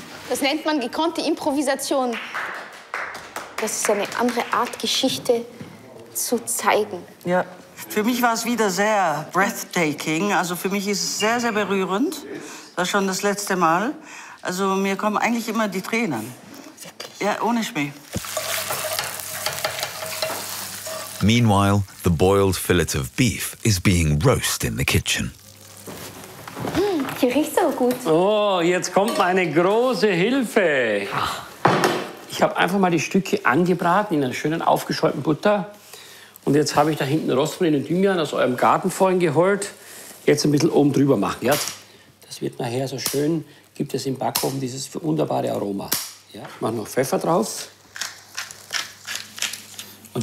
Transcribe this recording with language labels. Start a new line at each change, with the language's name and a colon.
German: Das nennt man gekonnte Improvisation. Das ist eine andere Art Geschichte zu zeigen. Ja, für mich war es wieder sehr
English: breathtaking.
German: Also für mich ist es sehr, sehr berührend. Das war schon das letzte Mal. Also mir kommen eigentlich immer die Tränen. Ja, ohne Schmäh.
English: Meanwhile, the boiled fillet of beef is being roasted in the kitchen.
German: Hier riecht's auch gut. Oh, jetzt kommt meine große Hilfe. Ich habe einfach mal die Stücke angebraten in einer schönen aufgeschäumten Butter. Und jetzt habe ich da hinten Rosmarin und Thymian aus eurem Garten vorhin geholt. Jetzt ein bisschen oben drüber machen. Ja? Das wird nachher so schön, gibt es im Backofen dieses wunderbare Aroma. Ja? Ich mache noch Pfeffer drauf. Und